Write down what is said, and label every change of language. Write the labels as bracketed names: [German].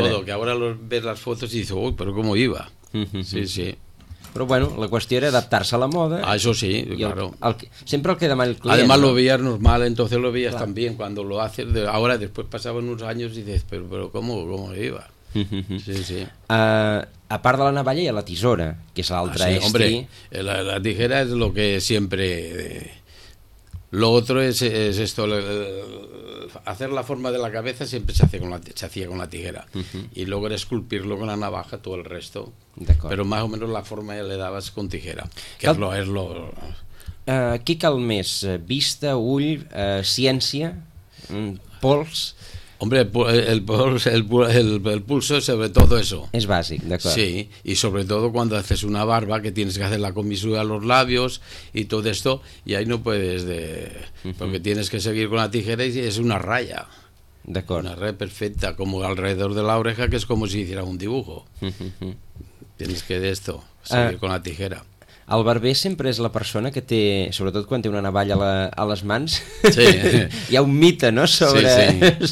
[Spanish] Pues todo, que ahora ves las fotos y dices, uy, pero cómo iba. Sí, sí. [Catalan] Però bueno, la qüestió era adaptar-se a la moda. Ah, això sí, claro. Sempre el que demana el client. [Spanish] Además lo veías normal, entonces lo veías también cuando lo haces. Ahora después pasaban unos años y dices, pero cómo iba. Sí, sí. [Catalan] A part de la navalla hi ha la tisora, que és l'altre estri. [Spanish] Hombre, la tijera és lo que siempre... Lo otro es esto, hacer la forma de la cabeza siempre se hacía con la tijera. Uh-huh. Y luego era esculpirlo con la navaja todo el resto. [Catalan] D'acord. [Spanish] Pero más o menos la forma ya le dabas con tijera, [Catalan] que cal... és lo... Què cal més? Vista, ull, ciència, pols... [Spanish] Hombre, el pulso es sobre todo eso. Es básico, de acuerdo. Sí, y sobre todo cuando haces una barba, que tienes que hacer la comisura a los labios y todo esto, y ahí no puedes, porque tienes que seguir con la tijera y es una raya. De acuerdo. Una raya perfecta, como alrededor de la oreja, que es como si hiciera un dibujo. Tienes que de esto, seguir con la tijera. [Catalan] El barber sempre és la persona que té, sobretot quan té una navalla a les mans, sí. Hi ha un mite, no?, sobre, sí, sí.